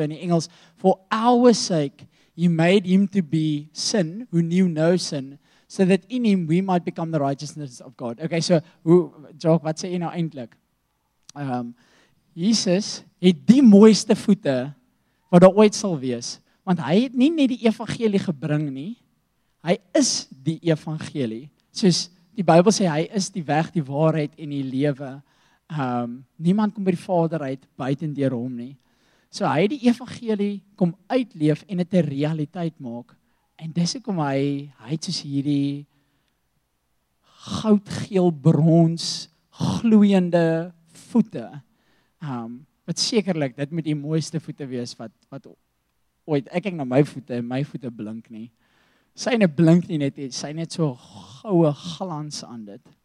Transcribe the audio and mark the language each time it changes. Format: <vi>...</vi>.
<af>So in die Engels,</af> <en>for our sake, he made him to be sin, who knew no sin, so that in him we might become the righteousness of God.</en> <af>Okay, so, Jaques, wat sê jy nou eindelijk? Jesus het die mooiste voete wat daar ooit sal wees, want hy het nie net die evangelie gebring nie, hy is die evangelie. Soos die Bybel sê, hy is die weg, die waarheid en die lewe. Niemand kom by die Vader uit buiten deur hom nie. So hy het die evangelie kom uitleef en het 'n realiteit maak. En dis hoekom hy het soos hierdie goudgeel brons gloeiende voete. Wat sekerlik dit moet die mooiste voete wees wat ooit. Ek kyk na my voete blink nie. Syne blink nie net, syne het so goue glans aan dit.</af>